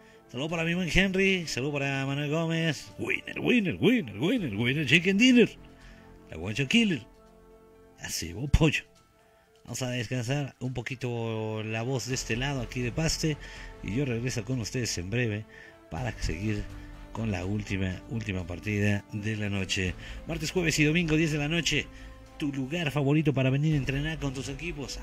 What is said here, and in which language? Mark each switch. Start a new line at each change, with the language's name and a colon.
Spanish: Saludos para mi buen Henry, saludos para Manuel Gómez.
English: Winner, winner, winner, winner, winner, chicken dinner.
Spanish: La guancho killer. Así, buen pollo. Vamos a descansar un poquito la voz de este lado aquí de Paste. Y yo regreso con ustedes en breve para seguir con la última partida de la noche. Martes, jueves y domingo, 10 de la noche. Tu lugar favorito para venir a entrenar con tus equipos.